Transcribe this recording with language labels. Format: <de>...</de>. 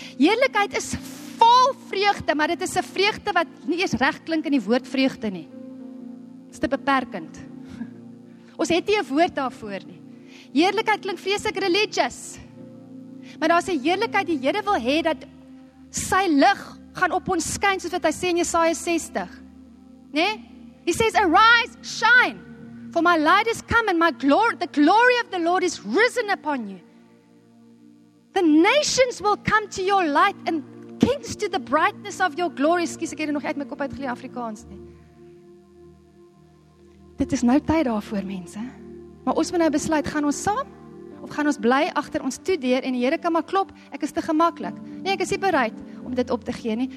<af>Heerlikheid is vol vreugde, maar dit is 'n vreugde wat nie eers reg klink in die woord vreugde nie. Dit is te beperkend. Ons het nie 'n woord daarvoor nie. Heerlikheid klink vreeslik religious. Maar daar's 'n heerlikheid, die Here wil hê dat sy lig gaan op ons skyn soos wat hy sê in Jesaja 60. Né? Nee?</af> <en>He says arise, shine. For my light is come and my glory, the glory of the Lord is risen upon you. The nations will come to your light and kings to the brightness of your glory.</en> <af>Skus, ek het nog uit my kop uitgelê Afrikaans nie. Dit is nou tyd daarvoor, mense. Maar ons moet nou besluit, gaan ons saam of gaan ons bly agter ons toe deur en die Here kan maar klop, ek is te gemaklik. Nee, ek is nie bereid om dit op te gee nie.</af>